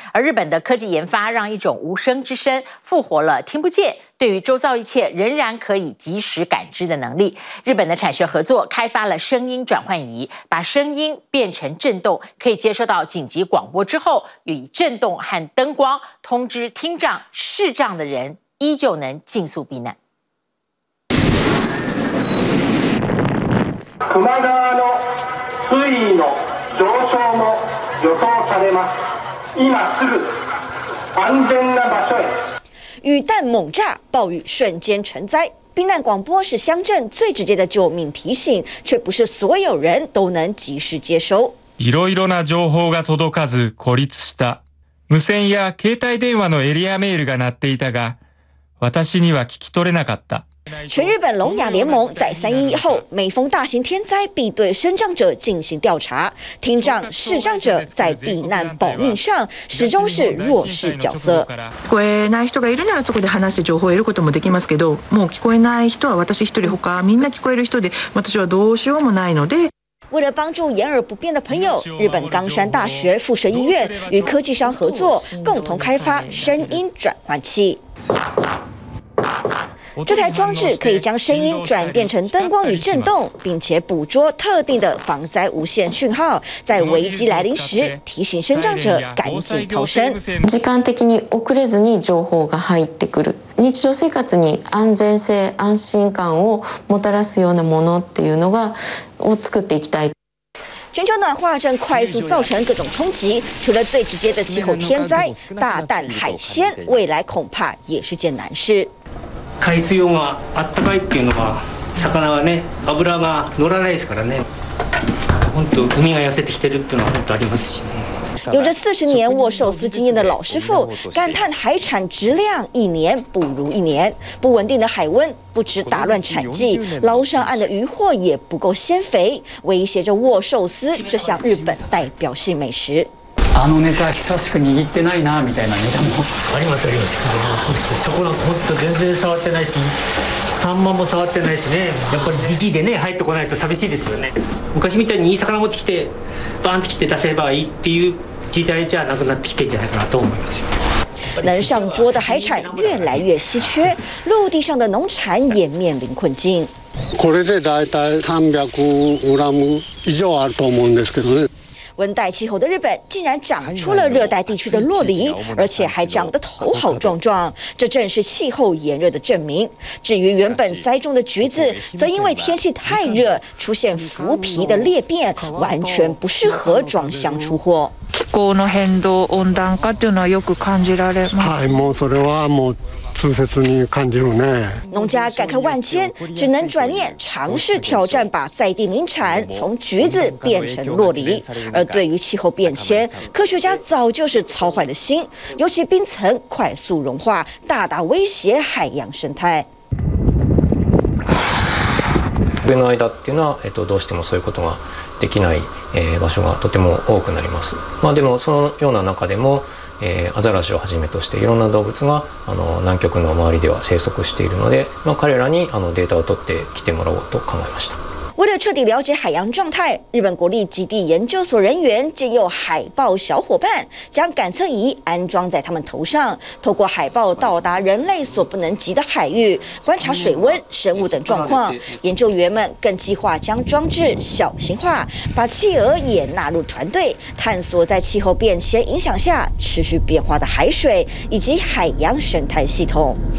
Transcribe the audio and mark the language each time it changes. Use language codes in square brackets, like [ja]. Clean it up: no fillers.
[zh] 而日本的科技研发，让一种无声之声复活了听不见，对于周遭一切仍然可以及时感知的能力。日本的产学合作开发了声音转换仪，把声音变成震动，可以接收到紧急广播之后，与震动和灯光通知听障、视障的人，依旧能尽速避难。 [ja] 球磨川の水位の上昇も予想されます。今すぐ安全な場所へ。 [zh] 雨弹猛炸，暴雨瞬间成灾。避难广播是乡镇最直接的救命提醒，却不是所有人都能及时接收。 [ja] いろいろな情報が届かず孤立した。無線や携帯電話のエリアメールが鳴っていたが、私には聞き取れなかった。 [zh] 全日本聋哑联盟在3.11后，每逢大型天灾必对声障者进行调查，听障、视障者在避难保命上始终是弱势角色。 [ja] 聞こえない人がいるならそこで話して情報を得ることもできますけど、もう聞こえない人は私一人他みんな聞こえる人で、私はどうしようもないので。 [zh] 为了帮助眼耳不便的朋友，日本冈山大学附设医院与科技商合作，共同开发声音转换器。这台装置可以将声音转变成灯光与震动，并且捕捉特定的防灾无线讯号，在危机来临时提醒声障者赶紧逃生。 [ja] 時間的に遅れずに情報が入ってくる。日常生活に安全性、安心感をもたらすようなものっていうのがを作っていきたい。 [zh] 全球暖化正快速造成各种冲击，除了最直接的气候天灾，大啖海鲜未来恐怕也是件难事。 [ja] 海水温があったかいっていうのは、魚はね、油が乗らないですからね。本当海が痩せてきてるっていうのは本当ありますしね。 [zh] 有着40年握寿司经验的老师傅感叹，海产质量一年不如一年，不稳定的海温不止打乱产季，捞上岸的鱼货也不够鲜肥，威胁着握寿司这项日本代表性美食。 [ja] あのネタ久しく握ってないなみたいなネタもありますあります。本当そこは本当全然触ってないし、サンマも触ってないしね。やっぱり時期でね入ってこないと寂しいですよね。昔みたいにいい魚持ってきてバーンってきて出せばいいっていう時代じゃなくなってきてんじゃないかなと思いますよ。 [zh] 能上桌的海产越来越稀缺，陆地上的农产也面临困境。 [ja] これでだいたい300g以上あると思うんですけどね。 [zh] 温带气候的日本竟然长出了热带地区的洛梨，而且还长得头好壮壮，这正是气候炎热的证明。至于原本栽种的橘子，则因为天气太热出现浮皮的裂变，完全不适合装箱出货。 [ja] 気候の変動、温暖化というのはよく感じられます。はい、もうそれはもう痛切に感じるね。 [zh] 農家感慨万千，只能转念尝试挑战，把在地名产从橘子变成洛梨。而对于气候变迁，科学家早就是操坏了心，尤其冰层快速融化，大大威胁海洋生态。 [ja] 冬の間っていうのは、どうしてもそういうことができない、場所がとても多くなります。まあでもそのような中でも、アザラシをはじめとしていろんな動物が南極の周りでは生息しているので、まあ、彼らにデータを取ってきてもらおうと考えました。 [zh] 为了彻底了解海洋状态，日本国立极地研究所人员借用海豹小伙伴，将感测仪安装在他们头上，透过海豹到达人类所不能及的海域，观察水温、生物等状况。研究员们更计划将装置小型化，把企鹅也纳入团队，探索在气候变迁影响下持续变化的海水以及海洋生态系统。